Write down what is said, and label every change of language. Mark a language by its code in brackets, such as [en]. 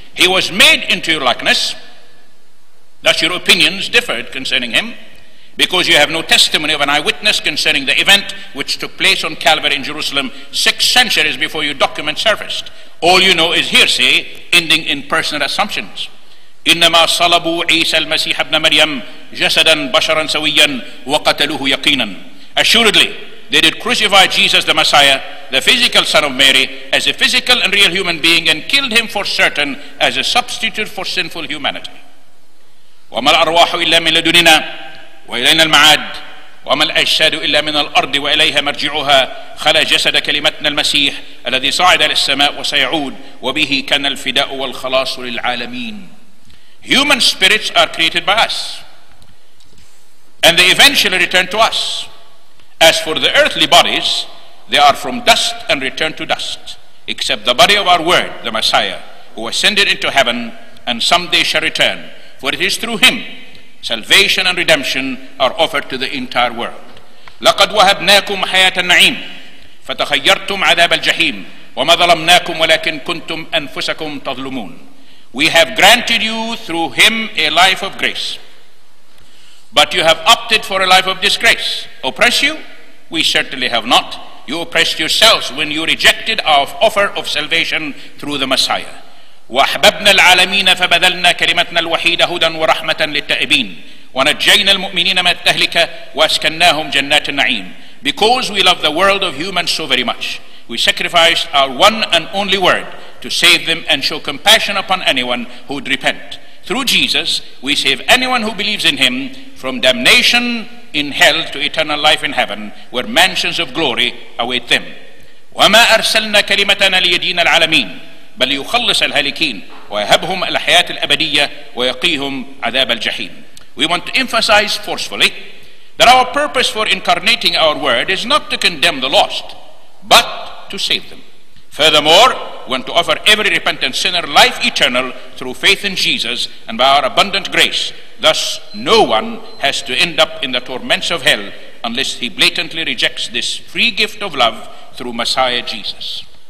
[en] He was made into your likeness, thus your opinions differed concerning him, because you have no testimony of an eyewitness concerning the event which took place on Calvary in Jerusalem 6 centuries before your document surfaced. All you know is hearsay, ending in personal assumptions. [ar] إنما صلبوا عيسى المسيح ابن مريم جسدا بشرا سويا وقتلوه يقينا. Assuredly, [en] They did crucify Jesus the Messiah, the physical son of Mary, as a physical and real human being, and killed him for certain as a substitute for sinful humanity. [ar] وَمَا الْأَرْوَاحُ إِلَّا مِنْ لَدُنِنَا وَإِلَيْنَا الْمَعَادُ وما الأجساد إلا من الأرض وإليها مرجعها خلا جسد كلمتنا المسيح الذي صعد إلى السماء وسيعود وبه كان الفداء والخلاص للعالمين. [en] Human spirits are created by us and they eventually return to us. As for the earthly bodies, they are from dust and return to dust, except the body of our word, the Messiah, who ascended into heaven and someday shall return, for it is through him salvation and redemption are offered to the entire world. [ar] لقد وهبناكم حياة النعيم فتخيرتم عذاب الجحيم وما ظلمناكم ولكن كنتم أنفسكم تظلمون. [en] We have granted you through him a life of grace, but you have opted for a life of disgrace. Oppress you? We certainly have not. You oppressed yourselves when you rejected our offer of salvation through the Messiah. [ar] وأحببنا العالمين فبذلنا كلمتنا الوحيدة هدى ورحمة للتائبين ونجينا المؤمنين من التهلكة وأسكناهم جنات النعيم. [en] Because we love the world of humans so very much, we sacrificed our one and only word to save them and show compassion upon anyone who would repent. Through Jesus, we save anyone who believes in him from damnation in hell to eternal life in heaven, where mansions of glory await them. [ar] وما أرسلنا كلمتنا ليدين العالمين بل يخلص الهالكين ويهبهم الحياة الأبدية ويقيهم عذاب الجحيم. [en] We want to emphasize forcefully that our purpose for incarnating our word is not to condemn the lost, but to save them. Furthermore, we want to offer every repentant sinner life eternal through faith in Jesus and by our abundant grace. Thus, no one has to end up in the torments of hell unless he blatantly rejects this free gift of love through Messiah Jesus.